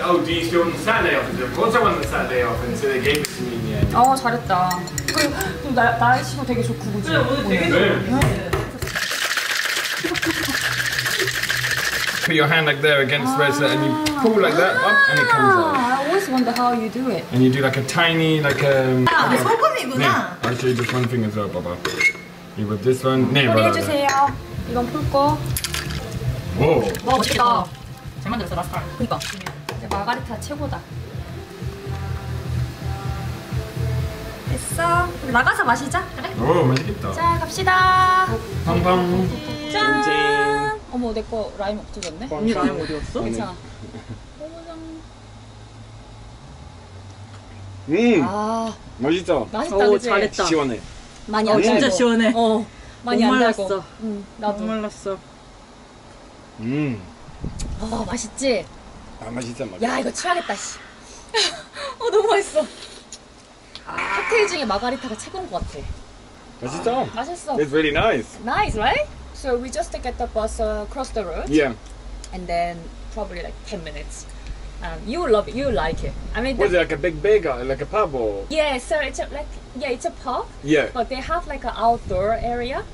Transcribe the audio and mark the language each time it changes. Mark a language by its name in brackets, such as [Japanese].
[English] oh, do you still want the Saturday off? Of course, I want the Saturday off, and so they gave it to me. Yeah. Oh, [Korean] 잘했다. 그리고 또 날씨도 되게 좋고 그죠? 네, 오늘 되게 좋네. [English] Put your hand like there against the red, and you pull like that up, and it comes out. I always wonder how you do it. And you do like a tiny, like [Korean] a. 아, 소금이구나. 네. [English] Actually, just one finger throw, Baba. You put this one. [Korean] 네, 보여주세요. 이건 풀 거. 오. 와 멋있다. 잘 만들었어, 라스카. 그니까. 마가리타 최고다. 됐어. 우리 나가서 마시자. 그래? 오, 맛있겠다. 자, 갑시다. 방방. 짠. 어머 내 거 라임 없어졌네. 언니 라임 어디였어? 괜찮아. 아 맛있어. 맛있다 그치? 잘했다. 시원해. 많이 안 달고. 진짜 시원해. 어. 많이 안 달고. 응. 나도 몰랐어. 어, 맛있지? 아, 맛있다, 맛있다. 야, 이거 취하겠다, 씨. 어, 너무 맛있어. 칵테일 중에 마가리타가 최고인 것 같아. 맛있어. 맛있어. [English] It's really nice. Nice, right? So we just get the bus across the road. Yeah. And then probably like 10 minutes. You love it. You like it. I mean, was it like a big bagel, like a pub or? Yeah. So it's a, like yeah, it's a pub. Yeah. But they have like an outdoor area.